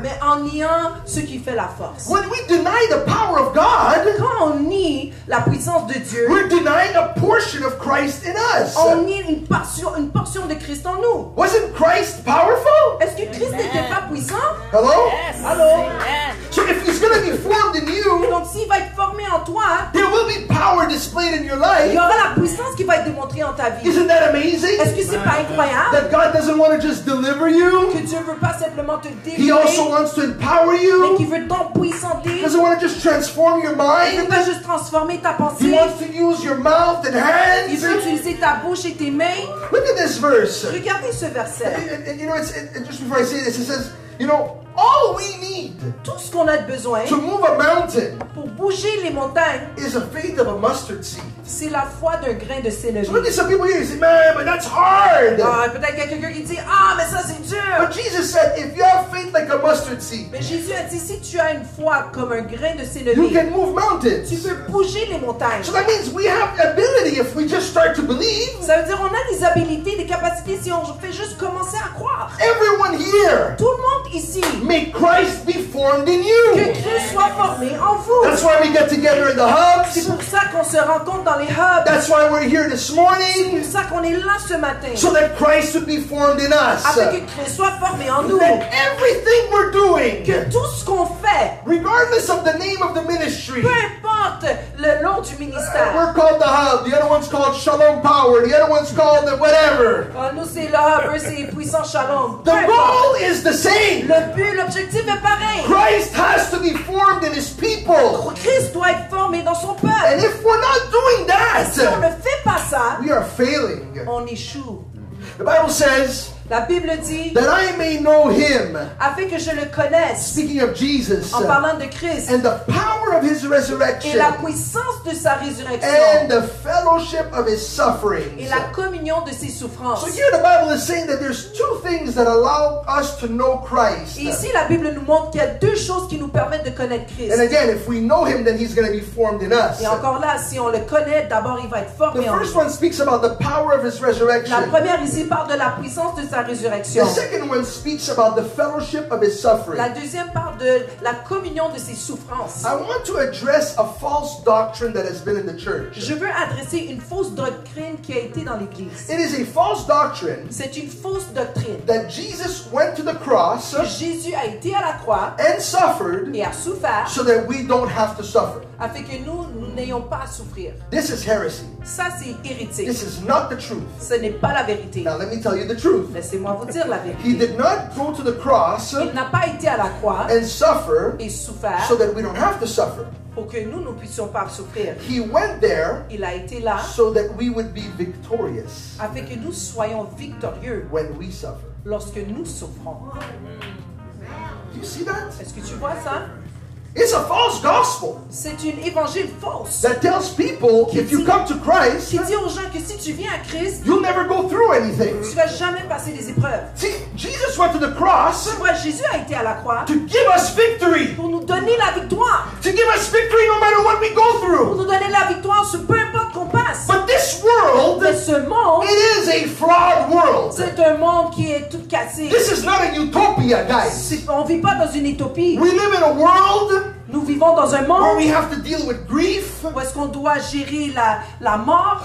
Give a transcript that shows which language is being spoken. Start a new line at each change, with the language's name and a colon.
French: Mais en niant ce qui fait la force.
English: When we deny the power of God.
French: Quand on nie la puissance de Dieu.
English: We're denying a portion of Christ in us.
French: On nie une portion de Christ en nous.
English: Wasn't Christ powerful?
French: Est-ce que Christ Amen. N'était pas puissant?
English: Hello? Yes. Hello? Yes. So if he's going to be formed in you.
French: Donc s'il va être formé en toi.
English: There will be power displayed in your life.
French: Il y aura la puissance qui va être démontrée en ta vie.
English: Isn't that amazing?
French: Est-ce que c'est pas incroyable.
English: That God doesn't want to just deliver you.
French: Que Dieu veut pas simplement te délivrer.
English: He also wants to empower you.
French: Mais qu'il veut t'empuissanter.
English: He doesn't want to just transform your mind.
French: Il veut juste transformer ta pensée.
English: He wants to use your mouth and hands.
French: Il veut utiliser ta bouche et tes mains.
English: Look at this verse.
French: Regardez ce verset.
English: And you know, just before I say this, it says, you know, all we need
French: tout ce qu'on a besoin
English: to move a mountain
French: pour bouger les montagnes
English: is a faith of a mustard seed.
French: C'est la foi d'un grain de céleri.
English: So look at some people here and say, man, but that's hard.
French: Peut-être qu'il y a quelqu'un qui dit, ah, mais ça c'est dur.
English: But Jesus said, if you have faith like a mustard seed,
French: mais Jésus a dit, si tu as une foi comme un grain de céleri,
English: you can move mountains.
French: Tu peux bouger les montagnes.
English: So that means we have ability if we just start to believe.
French: Ça veut dire on a des habilités, des capacités si on fait juste commencer à croire.
English: Everyone here.
French: Tout le monde ici.
English: May Christ be formed in you.
French: Que Christ soit formé en vous.
English: That's why we get together in the hubs.
French: C'est pour ça qu'on se rencontre dans les hubs.
English: That's why we're here this morning.
French: C'est pour ça qu'on est là ce matin.
English: So that Christ would be formed in us.
French: Afin que Christ soit formé en nous.
English: That everything we're doing.
French: Que tout ce qu'on fait.
English: Regardless of the name of the ministry.
French: Peu importe le nom du ministère.
English: We're called the hub. The other one's called Shalom Power. The other one's called the whatever.
French: Nous c'est le hub, c'est puissant Shalom.
English: The goal is the same.
French: Le but, l'objectif est pareil.
English: Christ has to be formed in his people.
French: Christ doit être formé dans son peuple.
English: And if we're not doing that,
French: si on ne fait pas ça,
English: we are failing.
French: On échoue.
English: The Bible says,
French: la Bible dit,
English: that I may know him,
French: afin que je le connaisse,
English: speaking of Jesus,
French: en parlant de Christ,
English: and the power of his resurrection,
French: et la puissance de sa résurrection,
English: and the fellowship of his sufferings,
French: et la communion de ses souffrances.
English: So here the Bible is saying that there's two things that allow us to know Christ.
French: Et ici la Bible nous montre qu'il y a deux choses qui nous permettent de connaître Christ.
English: And again, if we know him, then he's going to be formed in us.
French: Et encore là, si on le connaît, d'abord il va être formé en nous.
English: The first one speaks about the power of his resurrection.
French: La première ici parle de la puissance de sa résurrection.
English: The second one speaks about the fellowship of his suffering.
French: La deuxième parle de la communion de ses souffrances.
English: I want to address a false doctrine that has been in the church.
French: Je veux adresser une fausse doctrine qui a été dans l'église.
English: It is a false doctrine.
French: C'est une fausse doctrine.
English: That Jesus went to the cross.
French: Que Jésus a été à la croix.
English: And suffered.
French: Et a souffert.
English: So that we don't have to suffer.
French: Afin que nous, nous n'ayons pas à souffrir.
English: This is heresy.
French: Ça, c'est hérétique.
English: This is not the truth.
French: Ce n'est pas la vérité.
English: Now, let me tell you the truth.
French: Laissez-moi vous dire la vérité.
English: He did not go to the cross.
French: Il n'a pas été à la croix.
English: And suffer.
French: Et souffert.
English: So that we don't have to suffer.
French: Pour que nous, nous puissions pas souffrir.
English: He went there.
French: Il a été là.
English: So that we would be victorious.
French: Afin que nous soyons victorieux.
English: When we suffer.
French: Lorsque nous souffrons.
English: Do you see that?
French: Est-ce que tu vois ça?
English: It's a false gospel.
French: C'est une évangile fausse.
English: That tells people
French: qui
English: if you
French: dit,
English: come to Christ,
French: qui dit aux gens que si tu viens à Christ,
English: you'll never go through anything.
French: Tu vas jamais passer des épreuves.
English: See, Jesus went to the cross.
French: Tu vois, Jésus a été à la croix.
English: To give us victory.
French: Pour nous donner la victoire.
English: To give us victory no matter what we go through.
French: Pour nous donner la victoire, ce peu importe qu'on passe.
English: But this world,
French: mais ce monde,
English: it is a flawed world.
French: C'est un monde qui est tout cassé.
English: This is not a utopia, guys.
French: On vit pas dans une utopie.
English: We live in a world.
French: Nous vivons dans un monde
English: we have to deal with grief.
French: Où est-ce qu'on doit gérer la mort.